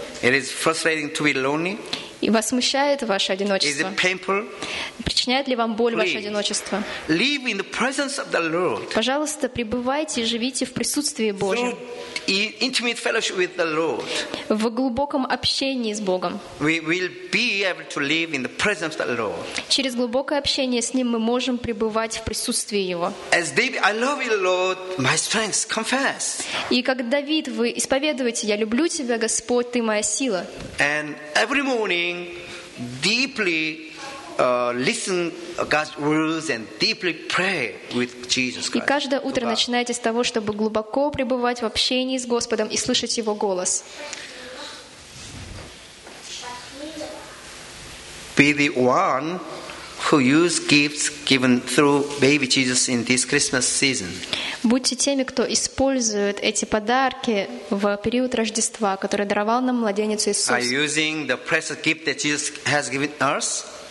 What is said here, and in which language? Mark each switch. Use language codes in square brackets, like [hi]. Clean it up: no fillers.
[en] It is frustrating to be lonely. [ru] И вас смущает ваше одиночество? [en] Is it painful? [ru] Причиняет ли вам боль [en] Please, [ru] ваше одиночество? [en] Live in the presence of the Lord. [ru] Пожалуйста, пребывайте и живите в присутствии Божьем. [en] Through intimate fellowship with the Lord. [ru] В глубоком общении с Богом. [en] We will be able to live in the presence of the Lord. [ru] Через глубокое общение с Ним мы можем пребывать в присутствии Его. [en] As David, I love you, Lord, my strength, confess. [ru] И как Давид, вы исповедуете, я люблю тебя, Господь, ты моя сила. [en] And every morning, deeply listen God's words and deeply pray with Jesus Christ. [ru] И каждое утро начинайте с того, чтобы глубоко пребывать в общении с Господом и слышать Его голос. [en] Be the one who use gifts given through baby Jesus in this Christmas season. [ru] Будьте теми, кто использует эти подарки в период Рождества, который даровал нам младенец Иисус. [en] Are you using the precious gift that Jesus has given us?